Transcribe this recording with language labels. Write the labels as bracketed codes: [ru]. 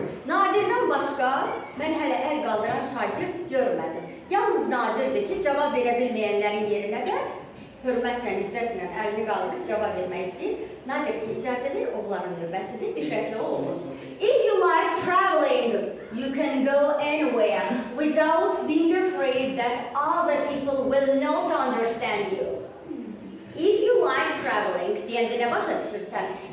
[az] Nadirdən başqa mən hələ əl qaldıran şagird görmədim. Yalnız nadirdir ki, cavab verə bilməyənlərin yerinə də hürmətlə, izzətlə əlini qaldırıb cavab vermək istəyir. Nadir icazədir, oğların növbəsidir, diqqətli olunur. [en] If you like traveling, you can go anywhere without being afraid that other people will not understand you. If you like traveling, [az] deyəndə nə başa düşürsən?